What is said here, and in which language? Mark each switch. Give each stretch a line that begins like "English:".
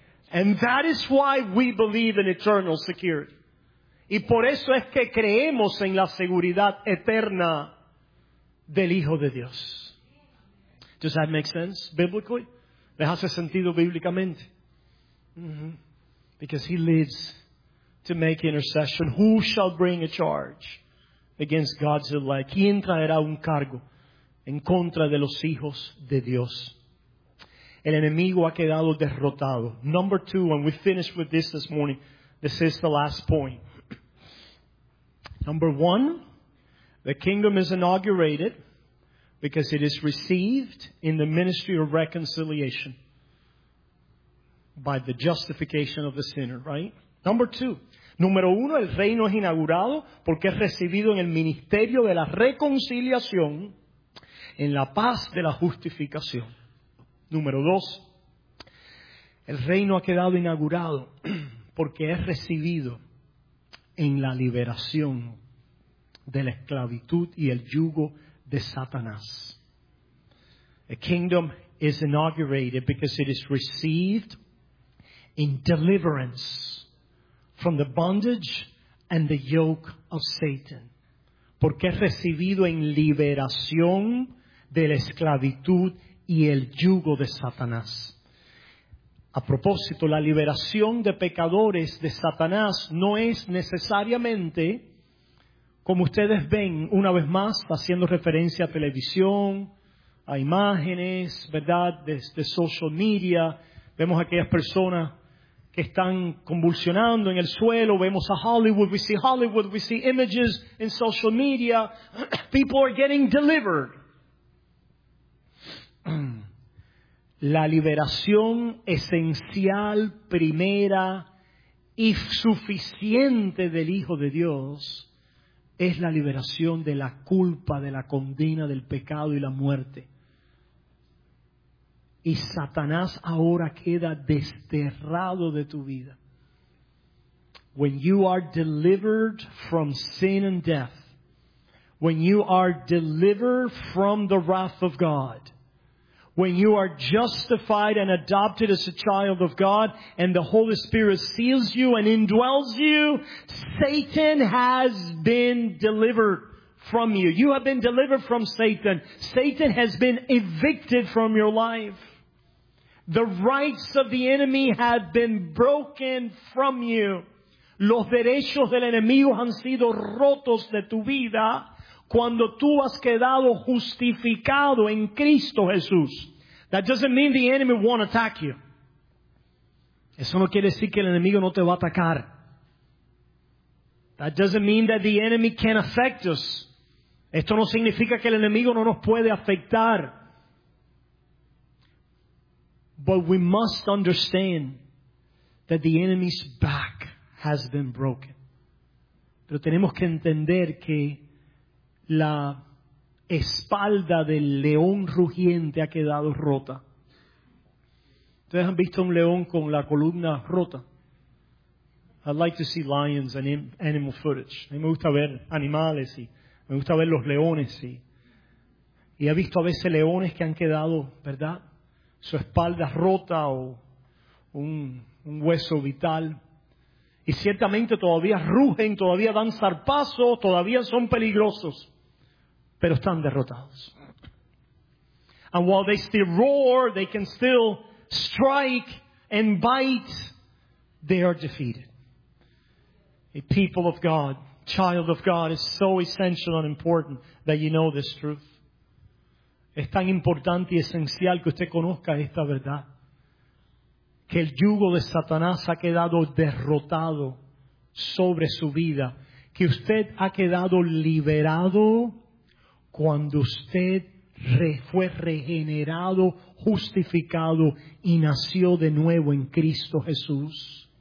English: And that is why we believe in eternal security.
Spanish: Y por eso es que creemos en la seguridad eterna del Hijo de Dios.
English: Does that make sense biblically?
Spanish: ¿Me hace sentido bíblicamente? Mm-hmm.
English: Because he lives to make intercession. Who shall bring a charge against God's elect?
Spanish: ¿Quién traerá un cargo en contra de los hijos de Dios? El enemigo ha quedado derrotado.
English: Number two, and we finished with this morning. This is the last point. Number one, the kingdom is inaugurated because it is received in the ministry of reconciliation by the justification of the sinner, right? Number two.
Spanish: Número uno, el reino es inaugurado porque es recibido en el ministerio de la reconciliación, en la paz de la justificación. Número dos, el reino ha quedado inaugurado porque es recibido en la liberación de la esclavitud y el yugo de Satanás.
English: A kingdom is inaugurated because it is received in deliverance from the bondage and the yoke of Satan.
Spanish: Porque es recibido en liberación de la esclavitud y el yugo de Satanás. A propósito, la liberación de pecadores de Satanás no es necesariamente, como ustedes ven, una vez más, haciendo referencia a televisión, a imágenes, ¿verdad?, de social media. Vemos a aquellas personas que están convulsionando en el suelo. Vemos a Hollywood.
English: We see Hollywood. We see images in social media. People are getting delivered.
Spanish: La liberación esencial, primera y suficiente del Hijo de Dios es la liberación de la culpa, de la condena, del pecado y la muerte. Y Satanás ahora queda desterrado de tu vida.
English: When you are delivered from sin and death, when you are delivered from the wrath of God, when you are justified and adopted as a child of God, and the Holy Spirit seals you and indwells you, Satan has been delivered from you. You have been delivered from Satan. Satan has been evicted from your life. The rights of the enemy have been broken from you.
Spanish: Los derechos del enemigo han sido rotos de tu vida cuando tú has quedado justificado en Cristo Jesús.
English: That doesn't mean the enemy won't attack you.
Spanish: Eso no quiere decir que el enemigo no te va a atacar.
English: That doesn't mean that the enemy can't affect us.
Spanish: Esto no significa que el enemigo no nos puede afectar.
English: But we must understand that the enemy's back has been broken.
Spanish: Pero tenemos que entender que la espalda del león rugiente ha quedado rota. ¿Ustedes han visto un león con la columna rota?
English: I like to see lions and animal footage.
Spanish: A mí me gusta ver animales y me gusta ver los leones. Y he visto a veces leones que han quedado, ¿verdad?, su espalda rota o un hueso vital. Y ciertamente todavía rugen, todavía dan zarpazos, todavía son peligrosos. Pero están derrotados.
English: And while they still roar, they can still strike, and bite, they are defeated. A people of God, child of God, is so essential and important that you know this truth.
Spanish: Es tan importante y esencial que usted conozca esta verdad. Que el yugo de Satanás ha quedado derrotado sobre su vida. Que usted ha quedado liberado cuando usted fue regenerado, justificado y nació de nuevo en Cristo Jesús.